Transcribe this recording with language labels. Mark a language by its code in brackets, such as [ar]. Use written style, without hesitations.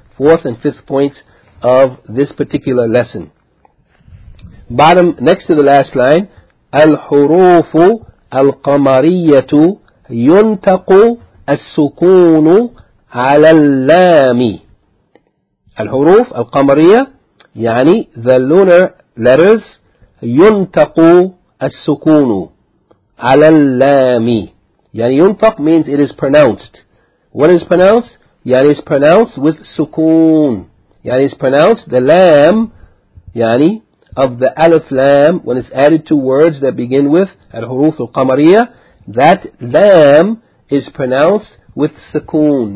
[en] Fourth and fifth points of this particular lesson. Bottom, next to the last line, [ar] الحروف القمرية ينطق السكون على اللام. الحروف القمرية, يعني [en] the lunar letters, [ar] ينطق السكون على اللام. يعني ينطق [en] means it is pronounced. What is pronounced? Yani is pronounced with sukoon. Yani is pronounced the lam, yani, of the alif lam, when it's added to words that begin with al-huruf al-qamariya, that lam is pronounced with sukoon.